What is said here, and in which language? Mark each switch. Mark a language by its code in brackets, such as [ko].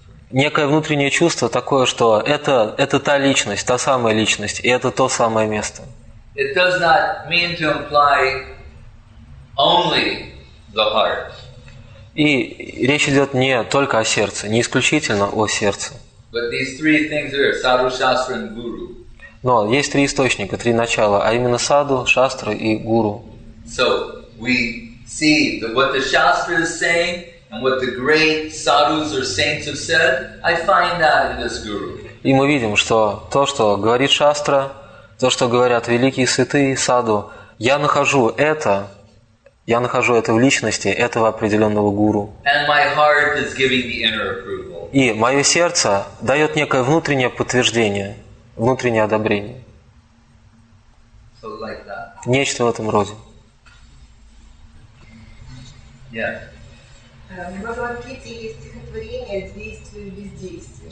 [ru] Некое внутреннее чувство такое, что это та личность, та самая личность, и это то самое место. [en] It does not mean to imply only the heart. [ru] И речь идет не только о сердце, не исключительно о сердце. [en] But these three things are sadhu, shastra, and guru. [ru] Но есть три источника, три начала, а именно саду, шастра и гуру. [en] So we see that what the shastra is saying and what the great sadhus or saints have said, I find that in this guru. [ru] И мы видим, что то, что говорит шастра, то, что говорят великие святые саду, я нахожу это в личности этого определенного гуру. [en] And my heart is giving the inner approval. [ru] И мое сердце дает некое внутреннее подтверждение, внутреннее одобрение. [en] So like that. [ru] Нечто в этом роде. [en] Yeah. [ru] В Бхагавад-гите есть стихотворение «Действие и бездействие».